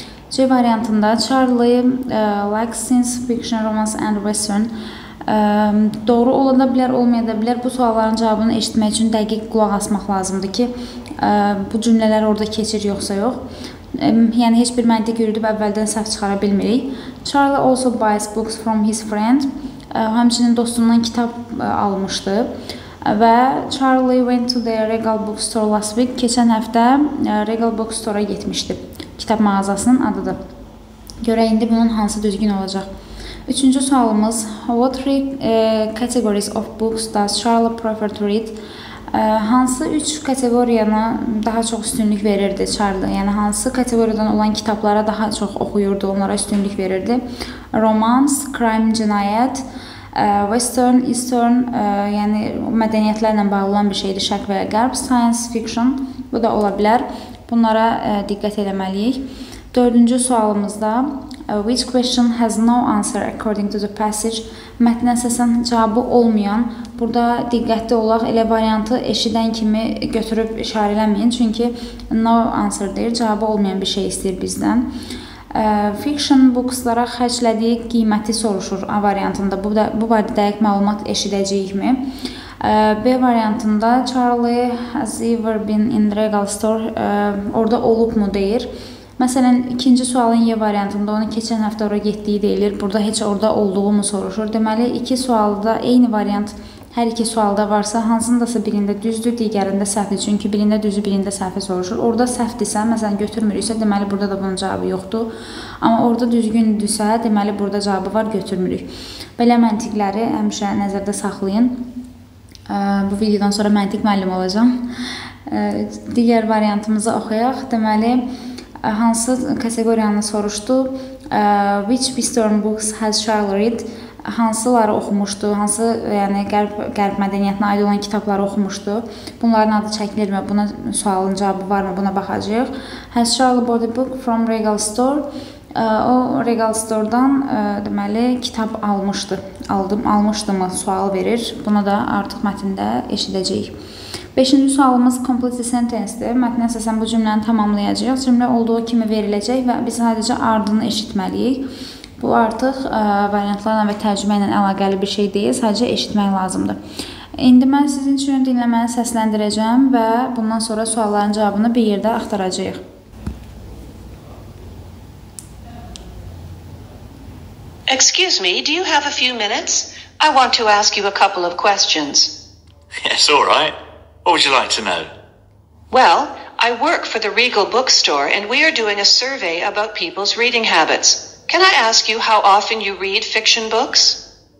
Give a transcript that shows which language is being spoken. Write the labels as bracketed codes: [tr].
[az] C variantında [en] Charlie likes science fiction, romance and western. [az] Doğru ola da bilər, olmaya da bilər. Bu sualların cavabını eşitmək üçün dəqiq qulaq asmaq lazımdır ki, bu cümlələr orada keçir yoxsa yox. Yəni heç bir məntiq yürüdüb əvvəldən səhv çıxara bilmirik. [en] Charlie also buys books from his friend. [az] Həmçinin dostundan kitab almışdı. [en] Və Charlie went to the Regal Bookstore last week. [az] Keçən həftə Regal Bookstore-a getmişdi. Kitab mağazasının adıdır. Görək, indi bunun hansı düzgün olacaq. Üçüncü sualımız. [en] What three categories of books does Charlie prefer to read? [az] Hansı üç kateqoriyana daha çox üstünlük verirdi Charlie? Yəni, hansı kateqoriyadan olan kitablara daha çox oxuyurdu, onlara üstünlük verirdi? Romance, crime, cinayət. Western, Eastern, yəni mədəniyyətlərlə bağlı olan bir şeydir, Şərq və ya Qərb, Science Fiction, bu da ola bilər. Bunlara diqqət eləməliyik. Dördüncü sualımızda, [en] which question has no answer according to the passage? [az] Mətnə əsasən cavabı olmayan, burada diqqətli olaq elə variantı eşidən kimi götürüb işarə eləməyin, çünki [en] no answer [az] deyir, cavabı olmayan bir şey istəyir bizdən. Fiction bookslara xərclədiyi qiyməti soruşur A variantında. Bu barədə dəqiq məlumat eşidəcəyikmi? B variantında [en] Charlie has ever been in the Regal Store? [az] Orada olubmu deyir. Məsələn, ikinci sualın Y variantında onu keçən həftə ora getdiyi deyilir. Burada heç orada olduğumu soruşur. Deməli, iki sualda eyni variant hər iki sualda varsa, hansındasa birində düzdür, digərində səhvdir. Çünki birində düzdür, birində səhvi soruşur. Orada səhvdirsə, məsələn, götürmürüksə, deməli, burada da bunun cavabı yoxdur. Amma orada düzgündürsə, deməli, burada cavabı var, götürmürük. Belə məntiqləri həmişə nəzərdə saxlayın. Bu videodan sonra məntiq müəllim olacam. Digər variantımızı oxuyaq. Deməli, hansı kateqoriyanı soruşdu? [en] Which Western books has Charlie read? [az] Hansıları oxumuşdu, hansı yəni, qərb mədəniyyətinə aid olan kitabları oxumuşdu. Bunların adı çəkilirmi, buna sualın cavabı varmı, buna baxacaq. [en] Has Charlie bought a book from Regal Store? [az] O Regal Store-dan deməli, kitab almışdı. Almışdı mı sual verir, bunu da artıq mətində eşidəcəyik. Beşinci sualımız [en] complete sentence- [az] dir. Mətnə əsasən bu cümləni tamamlayacaq. Cümlə olduğu kimi veriləcək və biz sadəcə ardını eşitməliyik. Bu artıq variantlarla və tərcümə ilə əlaqəli bir şey deyil, sadəcə eşitmək lazımdır. İndi mən sizin üçün dinləməni səsləndirəcəm və bundan sonra sualların cavabını bir yerdə axtaracaq. [en] Excuse me, do you have a few minutes? I want to ask you a couple of questions. Yes, all right. What would you like to know? Well, I work for the Regal Bookstore and we are doing a survey about people's reading habits. Can I ask you how often you read fiction books?